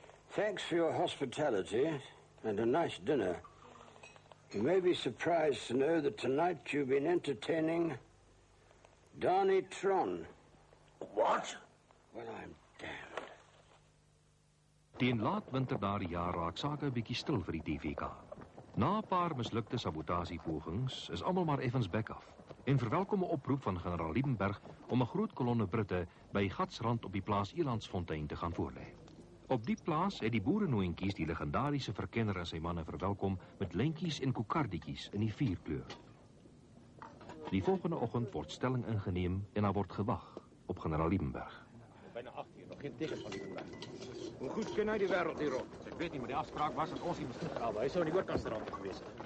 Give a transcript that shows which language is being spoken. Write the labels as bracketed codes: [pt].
[en] Thanks for your hospitality and a nice dinner. You may be surprised to know that tonight you've been entertaining Darnie Tron. What? Well, I'm damned. [af] Teen laat winter daardie jaar raak sake 'n bietjie stil vir die TVK. Na 'n paar mislukte sabotasiepogings is almal maar effens back af. En verwelkom 'n oproep van generaal Liebenberg om 'n groot kolonne Britte by Gatsrand op die plaas Elandsfontein te gaan voorlê. Op die plaas het die boerenoentjies die legendariese verkenner en sy manne verwelkom met lentjies en kokardietjies in die vuurkleur. Die volgende oggend word stelling ingeneem en daar word gewag op generaal Liebenberg. Byna 8 uur, nog geen teken van Liebenberg. Hoe goed ken hy die wêreld hierop? Ek weet nie, maar die afspraak was dat ons hier moet gaan. Hy sou in die oorkastrand gewees het.